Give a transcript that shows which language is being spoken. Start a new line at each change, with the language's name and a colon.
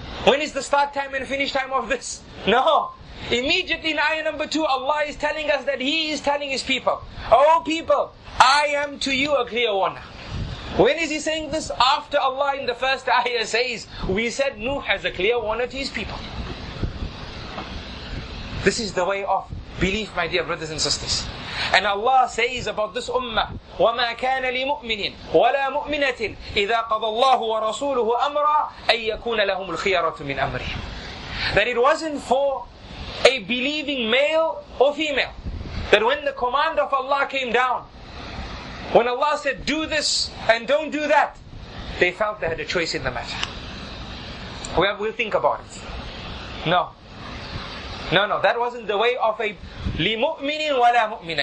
English: When is the start time and finish time of this? No. Immediately in ayah number 2, Allah is telling us that he is telling his people, oh people, I am to you a clear warner. When is he saying this? After Allah in the first ayah says, we said Nuh has a clear warner to his people. This is the way of belief, my dear brothers and sisters. And Allah says about this ummah,
Arabic: وَمَا كَانَ لِمُؤْمِنٍ وَلَا مُؤْمِنَةٍ إِذَا قَضَى اللَّهُ وَرَسُولُهُ أَمْرًا أَن يَكُونَ لَهُمُ الْخِيَرَةُ مِنْ أَمْرِهِ.
English: That it wasn't for a believing male or female, that when the command of Allah came down, when Allah said, do this and don't do that, they felt they had a choice in the matter. We'll think about it. No. That wasn't the way of a
Arabic: لِمُؤْمِنٍ وَلَا مُؤْمِنَ.